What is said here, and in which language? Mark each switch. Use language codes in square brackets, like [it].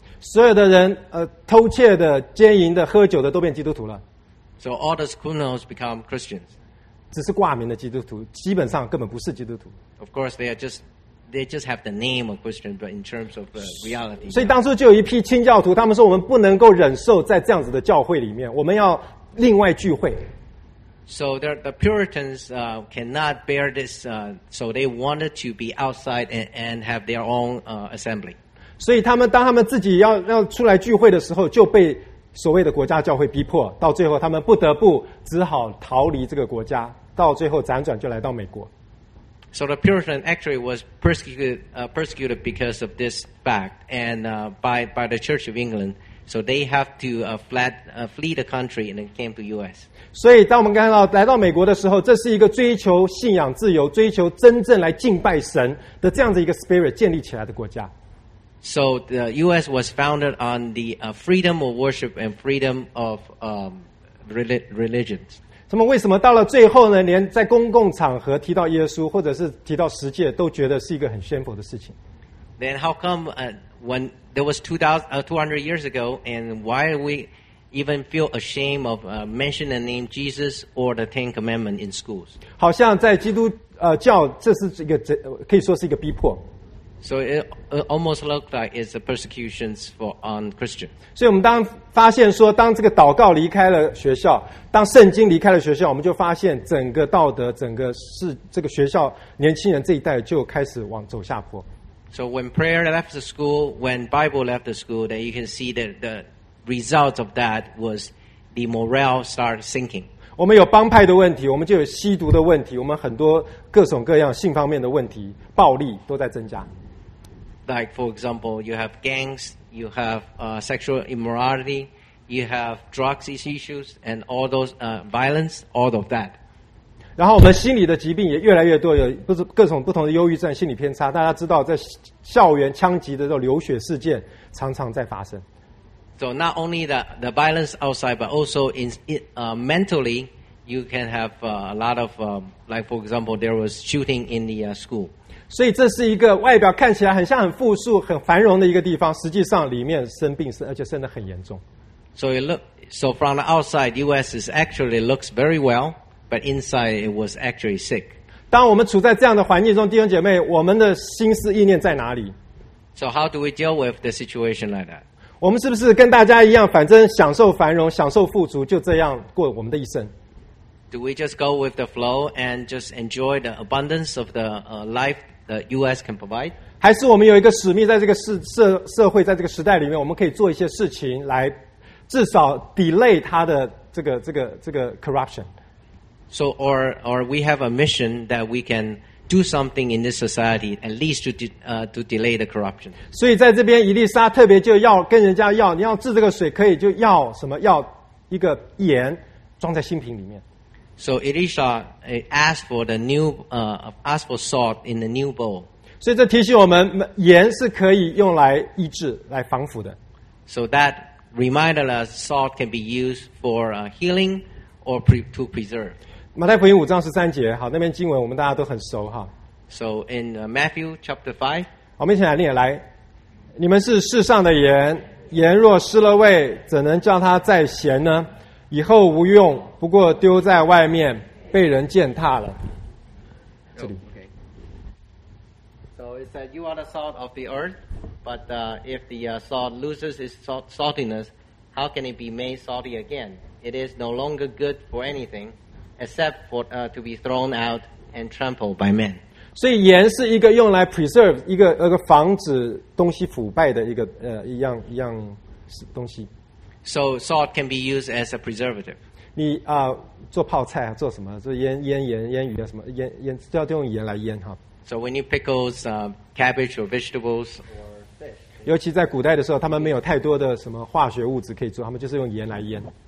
[zh] 所有的人偷窃的、奸淫的、喝酒的都变基督徒了。 [en] So all the criminals become Christians. [zh] 只是挂名的基督徒，基本上根本不是基督徒。 [en] Of course, they just have the name of Christian, but in terms of reality. [zh] 所以当初就有一批清教徒，他们说我们不能够忍受在这样子的教会里面，我们要另外聚会。 [en] So the Puritans cannot bear this, so they wanted to be outside and have their own assembly. [zh] 所以他们当他们自己要出来聚会的时候，就被所谓的国家教会逼迫，到最后他们不得不只好逃离这个国家，到最后辗转就来到美国。 [en] So the Puritan actually was persecuted because of this fact, and by the Church of England. So they have to flee the country and then came to U.S. [zh] 所以当我们看到来到美国的时候，这是一个追求信仰自由、追求真正来敬拜神的这样的一个 [en] spirit [zh] 建立起来的国家。 [en] So the U.S. was founded on the freedom of worship and freedom of religions. [zh] 他们为什么到了最后呢？连在公共场合提到耶稣，或者是提到十诫，都觉得是一个很 [en] shameful [zh] 的事情。 [en] Then how come when there was 200 years ago, and why we even feel ashamed of mentioning the name Jesus or the Ten Commandments in schools? [zh] 好像在基督教，这是一个可以说是一个逼迫。 [en] So it almost looked like it's a persecution for on Christians. [zh] 所以我们当发现说，当这个祷告离开了学校，当圣经离开了学校，我们就发现整个道德、整个是这个学校年轻人这一代就开始往走下坡。 [en] So when prayer left the school, when Bible left the school, then you can see that the result of that was the morale started sinking. [zh] 我们有帮派的问题，我们就有吸毒的问题，我们很多各种各样性方面的问题，暴力都在增加。 [en] Like, for example, you have gangs, you have sexual immorality, you have drugs issues, and all those violence, all of that. [zh] 然后我们心理的疾病也越来越多，有各种不同的忧郁症、心理偏差。大家知道，在校园枪击的这种流血事件常常在发生。 [en] So not only the violence outside, but also in mentally, you can have a lot of, like for example, there was shooting in the school. [zh] 所以这是一个外表看起来很像很富庶、很繁荣的一个地方，实际上里面生病而且生得很严重。 [en] So it look, so from the outside, U.S. is actually looks very well, but inside it was actually sick. [zh] 当我们处在这样的环境中，弟兄姐妹，我们的心思意念在哪里 [en] ？So how do we deal with the situation like that? [zh] 我们是不是跟大家一样，反正享受繁荣、享受富足，就这样过我们的一生？ [en] Do we just go with the flow and just enjoy the abundance of the life the U.S. can provide? [zh] 还是我们有一个使命，在这个社会，在这个时代里面，我们可以做一些事情来至少 [en] delay [zh] 它的这个 [en] corruption? So, or we have a mission that we can do something in this society at least to delay the corruption. [zh] 所以在这边，伊丽莎特别就要跟人家要，你要治这个水，可以就要什么？要一个盐装在新瓶里面。 [en] So Elisha asked for the new, asked for salt in the new bowl. [zh] 所以这提醒我们，盐是可以用来医治、来防腐的。 [en] So that reminded us, salt can be used for healing or to preserve. [zh] 马太福音五章十三节，好，那边经文我们大家都很熟哈。 [en] So in Matthew chapter 5, [zh] 我们一起来念来，你们是世上的盐，盐若失了味，怎能叫它再咸呢？以后无用，不过丢在外面被人践踏了。这里。 [en] Oh, okay. So it said, "You are the salt of the earth, but if the salt loses its saltiness, how can it be made salty again? It is no longer good for anything, except for to be thrown out and trampled by men." [zh] 所以盐是一个用来 [en] preserve [zh] 一个防止东西腐败的一样东西。 [en] So salt can be used as a preservative. [zh] 你啊、做泡菜啊，做什么？做腌鱼啊，什么腌就要用盐来腌哈。 [en] So when you pickles cabbage or vegetables, or fish, [zh] 尤其在古代的时候，他们没有太多的什么化学物质可以做，他们就是用盐来腌。